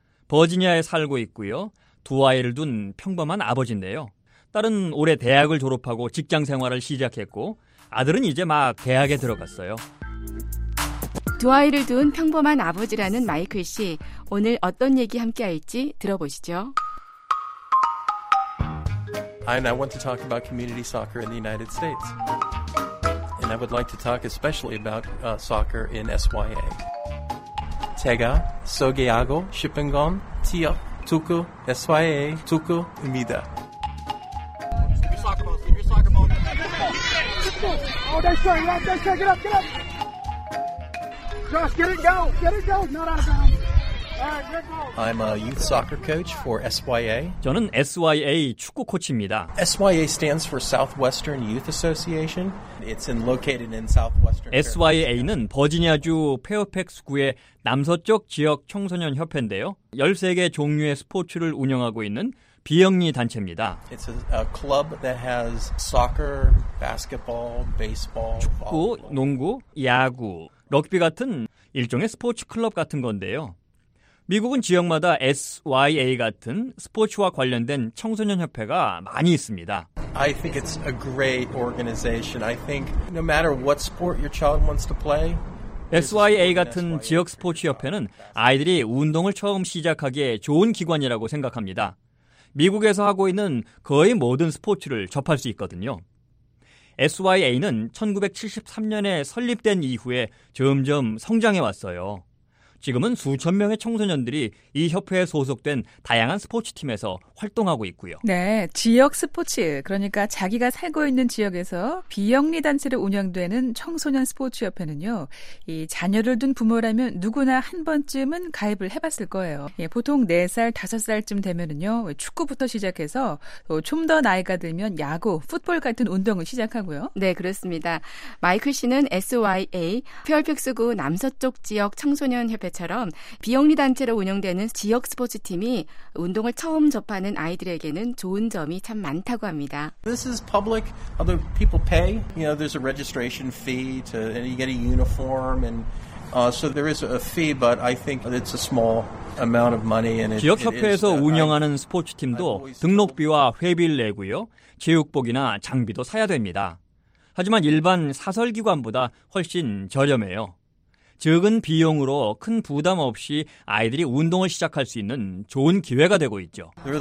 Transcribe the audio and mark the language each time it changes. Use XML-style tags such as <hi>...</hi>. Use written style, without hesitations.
<ko>버지니아에 살고 있고요. 두 아이를 둔 평범한 아버지인데요. 딸은 올해 대학을 졸업하고 직장 생활을 시작했고 아들은 이제 막 대학에 들어갔어요. 두 아이를 둔 평범한 아버지라는 마이클 씨, 오늘 어떤 얘기 함께 할지 들어보시죠.</ko> <en>And I want to talk about community soccer in the United States. And I would like to talk especially about soccer in SYA.</en> <ko>제가 소개하고 싶은 건 지역 축구 SYA 축구입니다.</ko> <en>Oh, that's right, right there. Get up, get up. I'm a youth soccer coach for SYA.</en> <ko>저는 SYA 축구 코치입니다.</ko> <en>SYA stands for Southwestern Youth Association. It's located in Southwestern.</en> <ko>SYA는 버지니아주 페어팩스구의 남서쪽 지역 청소년 협회인데요. 13개 종류의 스포츠를 운영하고 있는 비영리 단체입니다.</ko> <en>It's a club that has soccer, basketball, baseball,</en> <ko>축구, 농구, 야구, 럭비 같은 일종의 스포츠 클럽 같은 건데요. 미국은 지역마다 SYA 같은 스포츠와 관련된 청소년 협회가 많이 있습니다.</ko> <en>I think it's a great organization. I think no matter what sport your child wants to play,</en> <ko>SYA 같은 지역 스포츠 협회는 아이들이 운동을 처음 시작하기에 좋은 기관이라고 생각합니다. 미국에서 하고 있는 거의 모든 스포츠를 접할 수 있거든요. SYA는 1973년에 설립된 이후에 점점 성장해왔어요. 지금은 수천 명의 청소년들이 이 협회에 소속된 다양한 스포츠팀에서 활동하고 있고요. 네, 지역 스포츠, 그러니까 자기가 살고 있는 지역에서 비영리단체로 운영되는 청소년 스포츠협회는요. 이 자녀를 둔 부모라면 누구나 한 번쯤은 가입을 해봤을 거예요. 예, 보통 4살, 5살쯤 되면은요. 축구부터 시작해서 좀 더 나이가 들면 야구, 풋볼 같은 운동을 시작하고요. 네, 그렇습니다. 마이클 씨는 SYA, 페어팩스구 남서쪽 지역 청소년 협회처럼 비영리 단체로 운영되는 지역 스포츠 팀이 운동을 처음 접하는 아이들에게는 좋은 점이 참 많다고 합니다.</ko> <en>This is public. Other people pay. You know, there's a registration fee to, and you get a uniform and So there is a fee, but I think it's a small amount of money. And</en> <ko>지역협회에서 운영하는 스포츠팀도 등록비와 회비를 내고요. 체육복이나 장비도 사야 됩니다. 하지만 일반 사설기관보다 훨씬 저렴해요. 적은 비용으로 큰 부담 없이 아이들이 운동을 시작할 수 있는 좋은 기회가 되고 있죠.</ko>